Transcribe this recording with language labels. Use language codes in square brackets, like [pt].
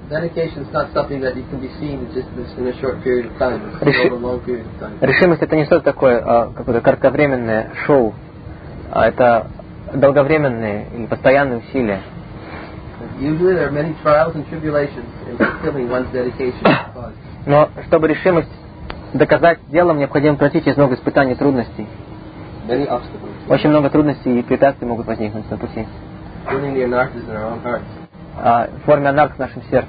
[ru] Решимость — это не что-то такое, а какое-то кратковременное шоу, а это долговременные или постоянные усилия. [en] Usually there are many trials and tribulations in fulfilling one's dedication to God. [ru] Но чтобы решимость доказать делом, необходимо пройти через много испытаний и трудностей. [en] Many obstacles. [ru] Очень много трудностей и препятствий могут возникнуть на пути. [en] Forming the anarchs in our own hearts. [ru] В форме анарх в нашем сердце.